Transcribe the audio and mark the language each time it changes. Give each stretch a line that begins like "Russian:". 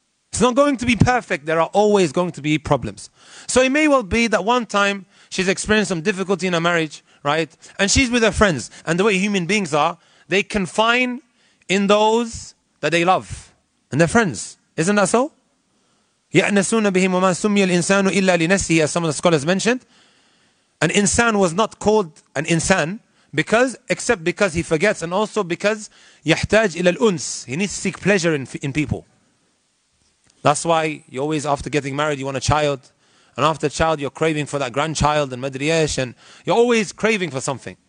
English: It's not going to be perfect. There are always going to be problems. So it may well be that one time she's experienced some difficulty in her marriage, right? And she's with her friends. And the way human beings are, they confine in those that they love and their friends. Isn't that so?
Arabic: يَأْنَسُونَ بِهِمْ وَمَا سُمِّيَ الْإِنسَانُ إِلَّا لِنَسِهِ
English: as some of the scholars mentioned. An insan was not called an insan because, except because he forgets, and also because
Arabic: يَحْتَاج إِلَى الْأُنْسِ
English: he needs to seek pleasure in people. That's why you always, after getting married, you want a child. And after a child, you're craving for that grandchild and madriyash, and you're always craving for something.